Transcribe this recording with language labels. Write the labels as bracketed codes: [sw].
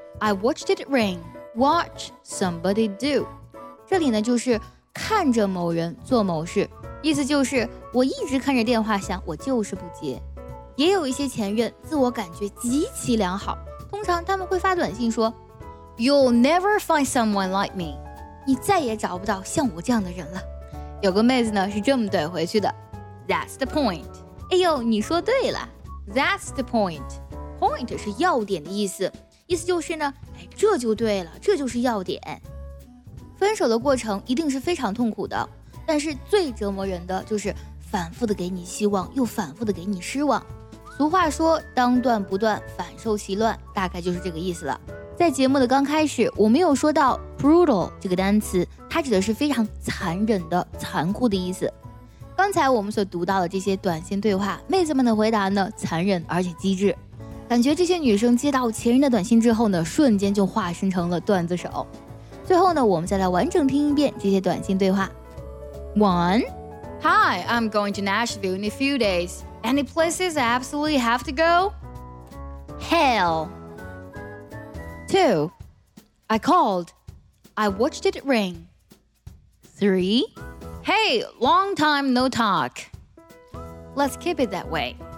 [en] I watched it ring. Watch somebody do， [zh] 这里呢就是看着某人做某事，意思就是我一直看着电话响，我就是不接。也有一些前任自我感觉极其良好，通常他们会发短信说 [en] You'll never find someone like me， [zh] 你再也找不到像我这样的人了。有个妹子呢是这么怼回去的 [en] That's the point。 [zh] 哎呦，你说对了， [en] That's the point。 [zh] Point 是要点的意思，意思就是呢，哎，这就对了，这就是要点。分手的过程一定是非常痛苦的，但是最折磨人的就是反复的给你希望，又反复的给你失望。俗话说当断不断，反受其乱，大概就是这个意思了。在节目的刚开始我们有说到 brutal 这个单词，它指的是非常残忍的，残酷的意思。刚才我们所读到的这些短信对话，妹子们的回答呢残忍而且机智，感觉这些女生接到前任的短信之后呢，瞬间就化身成了段子手。最后呢，我们再来完整听一遍这些短信对话。 [en] One， Hi， I'm going to Nashville in a few days. Any places I absolutely have to go? Hell. Two， I called. I watched it ring. Three， Hey， long time no talk. Let's keep it that way.